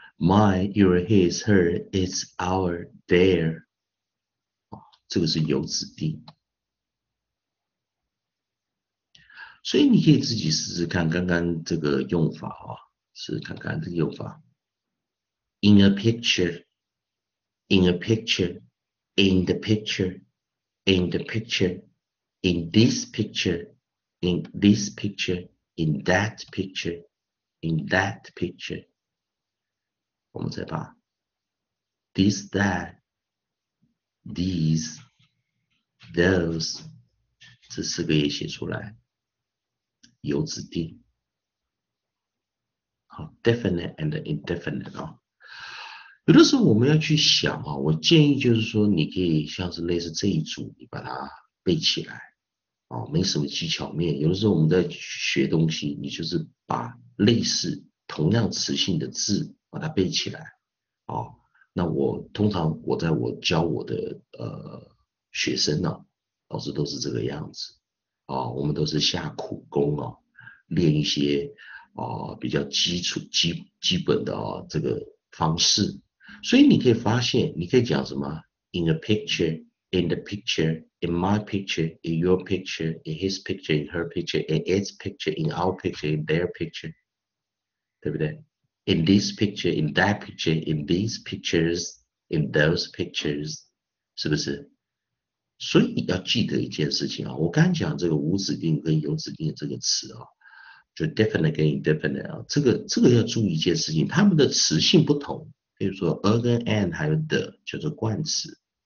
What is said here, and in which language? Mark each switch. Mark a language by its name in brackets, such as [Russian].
[English] my, your, his, her, it's, our, their， [Chinese] 哦，这个是有指定。所以你可以自己试试看，刚刚这个用法啊，试试看看这个用法。 [English] In a picture, in a picture, in the picture, in the picture, in this picture, in this picture, in that picture, in that picture。 [Chinese] 我们再把 this, that, these, those 这四个也写出来。有指定，好 ， [English] definite and indefinite [Chinese] 啊、哦。有的时候我们要去想啊、哦，我建议就是说，你可以像是类似这一组，你把它背起来，哦，没什么技巧面。有的时候我们在学东西，你就是把类似同样词性的字把它背起来，哦。那我通常我在我教我的学生呢、啊，老师都是这个样子，哦，我们都是下苦功啊、哦。练一些、比较基础基本的、哦、这个方式，所以你可以发现，你可以讲什么 [English] ？In a picture, in the picture, in my picture, in your picture, in his picture, in her picture, in its picture, in our picture, in their picture， [Chinese] 对不对 [English] ？In this picture, in that picture, in these pictures, in those pictures， [Chinese] 是不是？所以你要记得一件事情啊、哦，我刚讲这个无指定跟有指定这个词啊、哦。就 definite 跟 indefinite 啊，这个要注意一件事情，他们的词性不同。比如说 a 跟 and 还有 the 就是冠词。